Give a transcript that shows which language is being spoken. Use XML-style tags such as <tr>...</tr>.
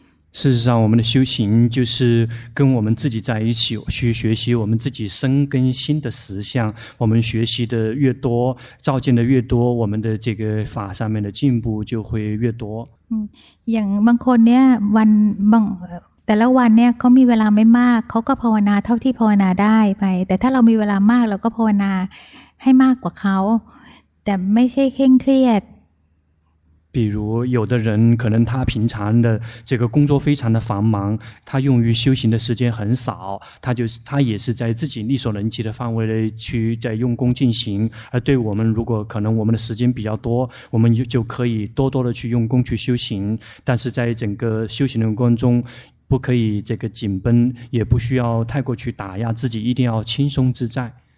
<zh>事实上我们的修行就是跟我们自己在一起去学习我们自己身跟心的实相我们学习的越多照见的越多我们的这个法上面的进步就会越多</zh> <th>อย่างบางคนเนี่ยวันบางแต่ละวันเนี่ยเขามีเวลาไม่มากเขาก็ภาวนาเท่าที่ภาวนาได้ไปแต่ถ้าเรามีเวลามากเราก็ภาวนาให้มากกว่าเขาแต่ไม่ใช่เคร่งเครียด</th> <zh>比如有的人可能他平常的这个工作非常的繁忙他用于修行的时间很少他也是在自己力所能及的范围内去在用功进行而对我们如果可能我们的时间比较多我们就可以多多的去用功去修行但是在整个修行的过程中不可以这个紧绷也不需要太过去打压自己一定要轻松自在</zh>